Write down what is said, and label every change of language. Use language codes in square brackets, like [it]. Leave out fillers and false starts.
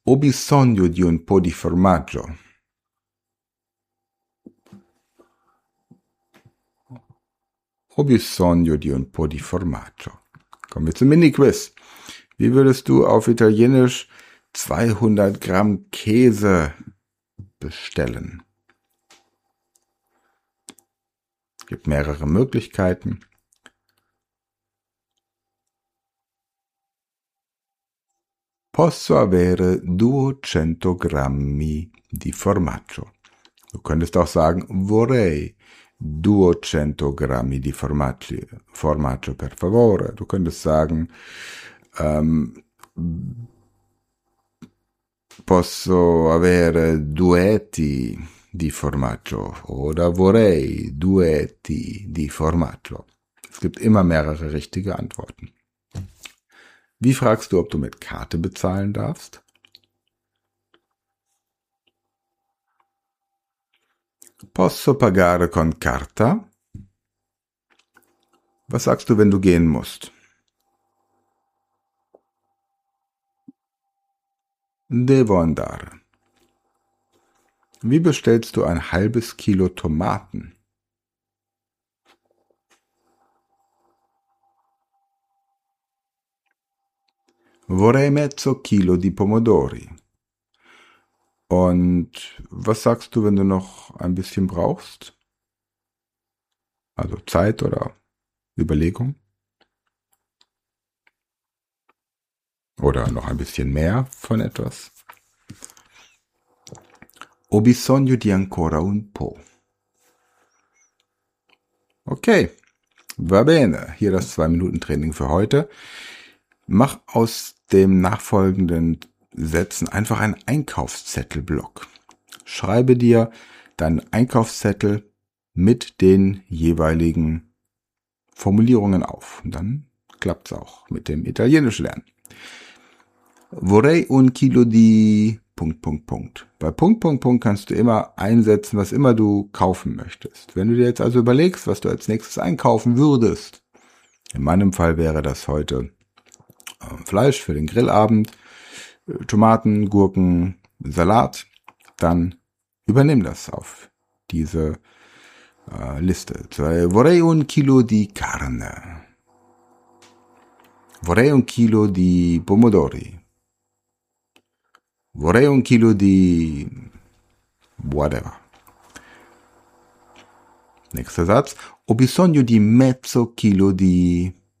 [it] Ho bisogno di un po' di formaggio. Ho bisogno di un po' di formaggio. [de] Kommen wir zum Mini-Quiz. Wie würdest du auf Italienisch 200 Gramm Käse bestellen? Es gibt mehrere Möglichkeiten. [it] Posso avere 200 grammi di formaggio. [de] Du könntest auch sagen, [it] vorrei 200 grammi di formaggio, per favore. [de] Du könntest sagen, [it] posso avere 2 etti di formaggio oder vorrei 2 etti di formaggio. [de] Es gibt immer mehrere richtige Antworten. Wie fragst du, ob du mit Karte bezahlen darfst? [it] Posso pagare con carta? [de] Was sagst du, wenn du gehen musst? [it] Devo andare. [de] Wie bestellst du ein 1/2 Kilo Tomaten? [it] Vorrei mezzo chilo di pomodori. [de] Und was sagst du, wenn du noch ein bisschen brauchst? Also Zeit oder Überlegung? Oder noch ein bisschen mehr von etwas? [it] Ho bisogno di ancora un po'. Okay, va bene. [de] Hier das 2-Minuten-Training für heute. Mach aus dem nachfolgenden Sätzen einfach einen Einkaufszettelblock. Schreibe dir deinen Einkaufszettel mit den jeweiligen Formulierungen auf. Und dann klappt's auch mit dem Italienisch lernen. [it] Vorrei un chilo di... [de] Punkt, Punkt, Punkt. Bei Punkt, Punkt, Punkt kannst du immer einsetzen, was immer du kaufen möchtest. Wenn du dir jetzt also überlegst, was du als nächstes einkaufen würdest, in meinem Fall wäre das heute Fleisch für den Grillabend, Tomaten, Gurken, Salat, dann übernimm das auf diese Liste. [it] Vorrei un chilo di carne. Vorrei un chilo di pomodori. Vorrei un chilo di whatever. [de] Nächster Satz. [it] Ho bisogno di mezzo chilo di...